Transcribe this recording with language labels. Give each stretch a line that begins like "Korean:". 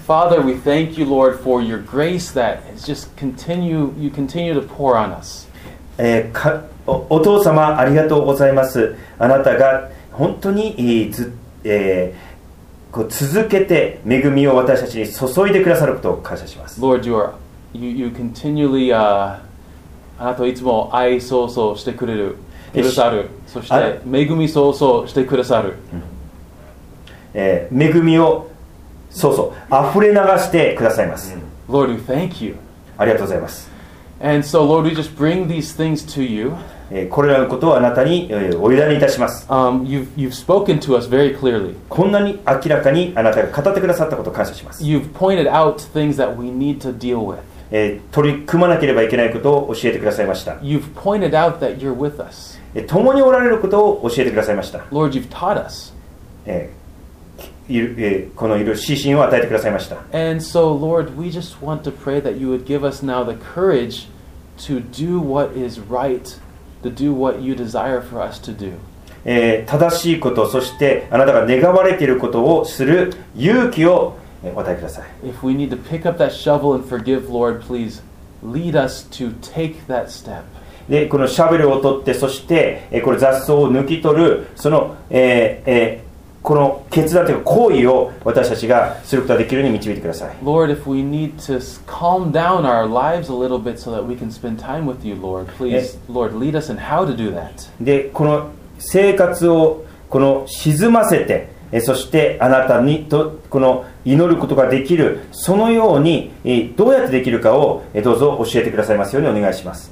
English: Father, we thank you, Lord, for your grace that is just continue to pour on us.
Japanese: お父様、ありがとうございます。あなたが本当にずっ、続けて恵みを私たちに注いでくださることを感謝します。
English: Lord, you continually,
Japanese: あなたはいつも愛そうそうしてくれる、くださる、そして恵みそうそうしてくださる。恵みをそうそう、溢れ流してくださいます。
English: Lord, we thank you.
Japanese: ありがとうございます。
English: And so, Lord, we just bring these things to you.
Japanese: これらのことをあなたにお委ねいたします。
English: You've spoken to us very clearly.
Japanese: こんなに明らかにあなたが語ってくださったことを感謝します。
English: You've pointed out things that we need to deal with.
Japanese: 取り組まなければいけないことを教えてくださいました。
English: You've pointed out that you're with us.
Japanese: 共におられることを教えてくださいました。
English: Lord, you've taught us.
Japanese: このいる指針を与えてくださいました。
English: And so, Lord, we just want to pray that you would give us now the courage to do what is right, to do what you desire for us to do.
Japanese: 正しいこと、そしてあなたが願われていることをする勇気をお与えください。
English: If we need to pick up that shovel and forgive, Lord, please lead us to take that step.
Japanese: でこのシャベルを取ってそしてこれ雑草を抜き取るその、この決断というか行為を私たちがすることができるように導いてください。
English: Lord, if we need to calm down our lives a little bit so that we can spend time with you, Lord, please, Lord, lead us in how to do that.
Japanese: でこの生活をこの沈ませて、そしてあなたにとこの祈ることができるそのように、どうやってできるかを、どうぞ教えてくださいますようにお願いします。